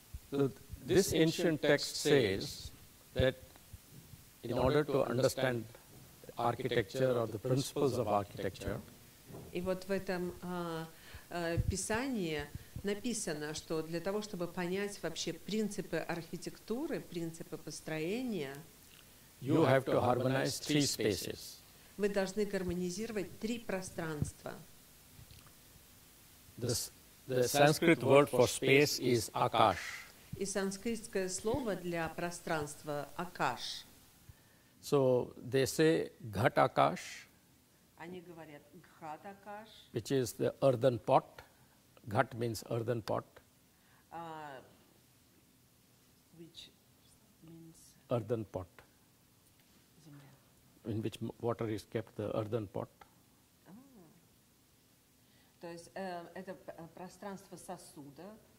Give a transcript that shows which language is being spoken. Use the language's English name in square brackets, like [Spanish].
[English] This ancient text says that in order to understand architecture or the principles of architecture. [Russian] И вот в этом писании написано, что для того, чтобы понять вообще принципы архитектуры, принципы построения, [English] you have to harmonize three spaces. [Russian] Вы должны гармонизировать три пространства. [English] The Sanskrit word for space is akash. [Russian] И санскритское слово для пространства akash. [English] So they say ghat akash. [Russian] Они говорят ghat akash. [English] Which is the earthen pot. Ghat means earthen pot. Which means earthen pot. In which water is kept, the earthen pot. [Russian] То есть это пространство сосуда.